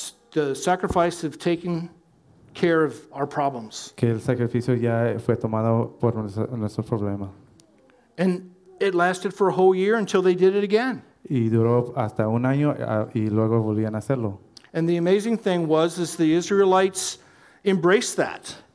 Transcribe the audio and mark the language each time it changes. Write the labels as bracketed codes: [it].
[en] The sacrifice of taking care of our problems. [es] Que el sacrificio ya fue tomado por nuestro problema. [en] And it lasted for a whole year until they did it again. [es] Y duró hasta un año y luego volvían a hacerlo. [en] And the amazing thing was is the Israelites embraced that.